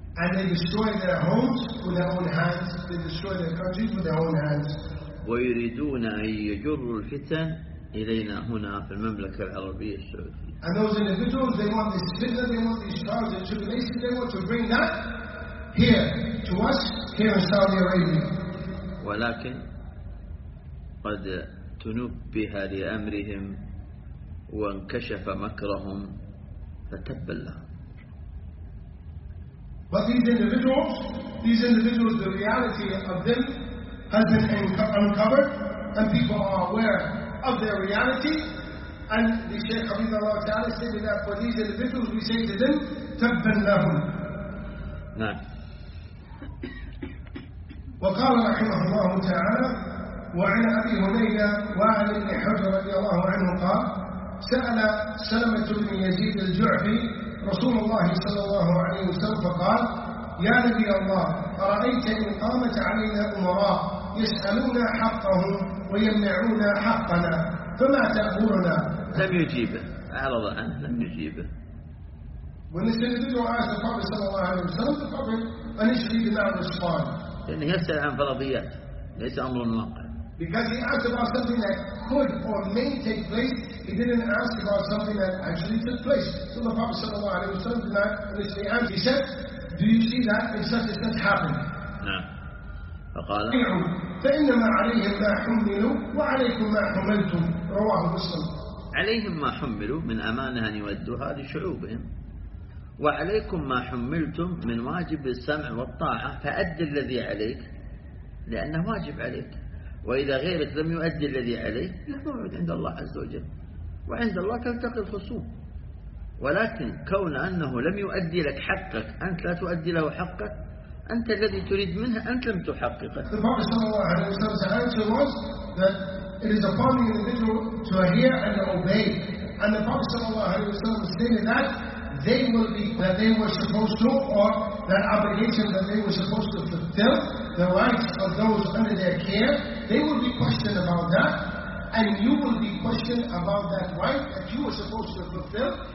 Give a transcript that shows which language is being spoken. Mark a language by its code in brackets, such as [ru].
[en] And they destroyed their homes with their own hands. They destroyed their countries with their own hands. [ar] وَيُرِدُونَ أَن يَجُرُّوا الْفِتَنَ إِلَيْنَا هُنَا فِي الْمَمْلَكَ الْعَرَبِيَّةِ السَّعُودِيَّةِ. [en] And those individuals, they want this fitna, they want these trials and tribulations, they want to bring that here to us, here in Saudi Arabia. [ar] ولكن قد تنبه لأمرهم وانكشف مكرهم فتب لهم. [en] But these individuals, the reality of them has been uncovered, and people are aware of their reality. And the Shaykh Habibullah Ta'ala said that for these individuals, we say to them, [ar] تب لهم. نعم. وقال رحمه الله تعالى وعن أبي هريرة وعن ابن حجر رضي الله عنه قال سأل سلمة بن يزيد الجعفي رسول الله صلى الله عليه وسلم فقال يا نبي الله أرأيت إن قامت علينا أمراء يسألون حقهم ويمنعون حقنا فما تأمرنا؟ لم يجيبه أعرض عنه لم يجيبه. [en] When this individual asked the Prophet صلى الله عليه وسلم, the Prophet initially did not respond. [ar] لأنه يسأل عن فرضيات ليس أمر واقع. [en] Because he asked about something that could or may take place, he didn't ask about something that actually took place. So the Prophet صلى الله عليه وسلم did not initially answer. He said, do you see that in such and such happened? [ar] نعم. فقال فإنما عليهم ما حملوا وعليكم ما حملتم رواه مسلم. عليهم ما حملوا من أمانة أن يؤدوها لشعوبهم، وعليكم ما حملتم من واجب السمع والطاعة فأد الذي عليك لأنه واجب عليك، وإذا غيرك لم يؤدي الذي عليك فموعود عند الله عز وجل، وعند الله تلتقي الخصوم. ولكن كون أنه لم يؤدي لك حقك أنت لا تؤدي له حقك، أنت الذي تريد منها أنت لم تحققه. [en] The Prophet صلى الله عليه وسلم said to us that it is upon the individual to hear and obey. And the Prophet صلى الله عليه وسلم stated that they will be that they were supposed to, or that obligation that they were supposed to fulfill, the rights of those under their care, they will be questioned about that, and you will be questioned about that right that you were supposed to fulfill.